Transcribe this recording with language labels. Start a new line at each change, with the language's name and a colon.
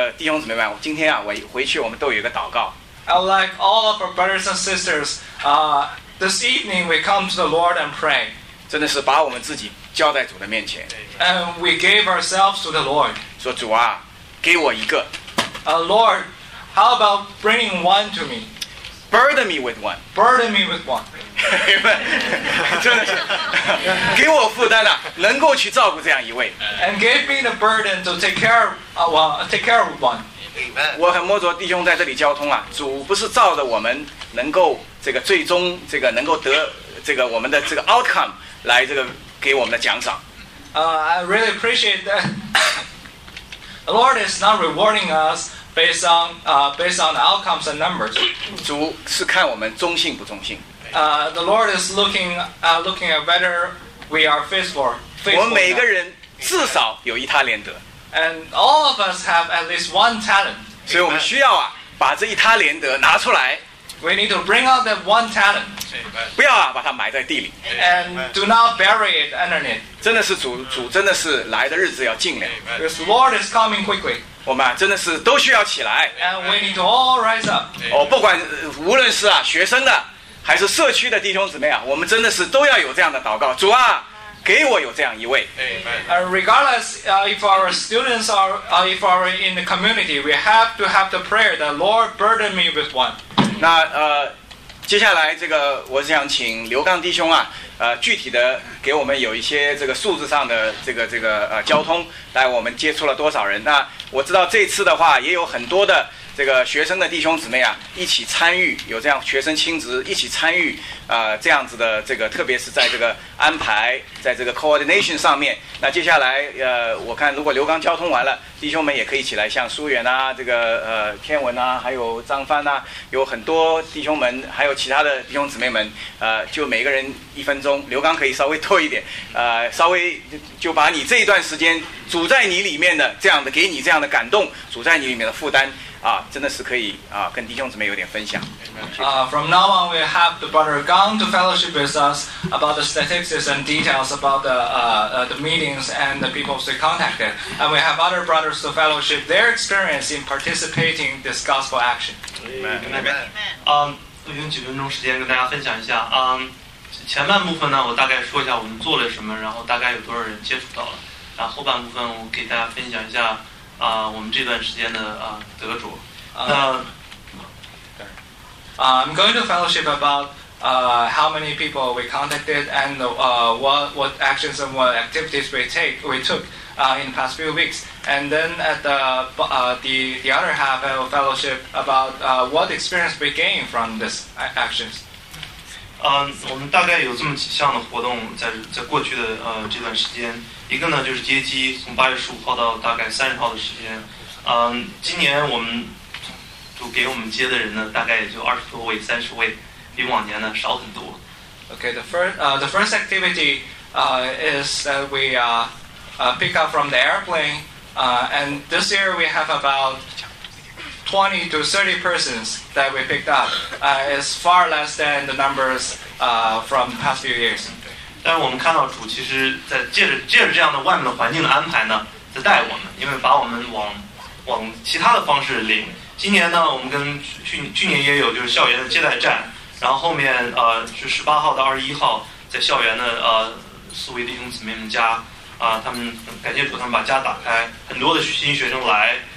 Chinese: 真的是我们要，真的是晚上，我愿意啊，这个弟兄姊妹们，今天啊，我回去我们都有一个祷告。
English: I'd like all of our brothers and sisters, this evening we come to the Lord and pray.
Chinese: 真的是把我们自己交在主的面前。
English: And we gave ourselves to the Lord.
Chinese: 说主啊，给我一个。
English: Lord, how about bringing one to me? Burden me with one. Burden me with one.
Chinese: 真的是给我负担了，能够去照顾这样一位。
English: And give me the burden to take care of one. Amen.
Chinese: 我很摸着弟兄在这里交通啊，主不是照着我们能够这个最终这个能够得这个我们的这个 outcome 来这个给我们的奖赏。
English: I really appreciate that. The Lord is not rewarding us. Based on the outcomes and numbers.
Chinese: 主是看我们忠信不忠信。
English: the Lord is looking at whether we are faithful.
Chinese: 我们每个人至少有一套连德。
English: And all of us have at least one talent.
Chinese: 所以我们需要啊，把这一套连德拿出来。
English: We need to bring out that one talent.
Chinese: 不要啊，把它埋在地里。
English: And do not bury it underneath.
Chinese: 真的是主真的是来的日子要近了。
English: Because the Lord is coming quickly.
Chinese: 我们、啊、真的是都需要起来。
English: And we need to all rise up.
Chinese: 哦，不管无论是啊学生的，还是社区的弟兄姊妹啊，我们真的是都要有这样的祷告。主啊，给我有这样一位。
English: Amen. Regardless, if our students are, if are in the community, we have to have the prayer that Lord burden me with one.
Chinese: 那接下来这个我想请刘刚弟兄啊，具体的给我们有一些这个数字上的这个交通，来我们接触了多少人？那我知道这次的话也有很多的这个学生的弟兄姊妹啊，一起参与，有这样学生亲职一起参与，这样子的这个，特别是在这个安排，在这个 coordination 上面。那接下来，我看如果刘刚交通完了，弟兄们也可以起来，像苏远啊，这个天文啊，还有张帆啊，有很多弟兄们，还有其他的弟兄姊妹们，就每个人一分钟，刘刚可以稍微拖一点，稍微就把你这一段时间主在你里面的这样的给你这样的感动，主在你里面的负担。啊，真的是可以啊，跟弟兄姊妹有点分享。
English: From now on, we have the brother Gang to fellowship with us about the statistics and details about the meetings and the people we contacted, and we have other brothers to fellowship their experience in participating in this gospel action. Amen.
Chinese: 我用几分钟时间跟大家分享一下。前半部分呢，我大概说一下我们做了什么，然后大概有多少人接触到了。然后后半部分，我给大家分享一下。我们这段时间的得主。
English: I'm going to fellowship about how many people we contacted and what actions and what activities we took in the past few weeks. And then at the other half, I will fellowship about what experience we gained from these actions.
Chinese: 我们大概有这么几项的活动在过去的这段时间。一个呢就是接机，从8月15号到大概30号的时间。今年我们就给我们接的人呢，大概也就20多位、30位，比往年呢少很多。
English: Okay, the first activity is that we pick up from the airplane. And this year we have about 20 to 30 persons that we picked up. It's far less than the numbers from past few years.
Chinese: 但是我们看到主其实在借着这样的外面的环境的安排呢，在带我们，因为把我们往其他的方式领。今年呢，我们跟去年也有就是校园的接待站，然后后面是18号到21号在校园的四位弟兄姊妹们家他们感谢主，他们把家打开，很多的新学生来。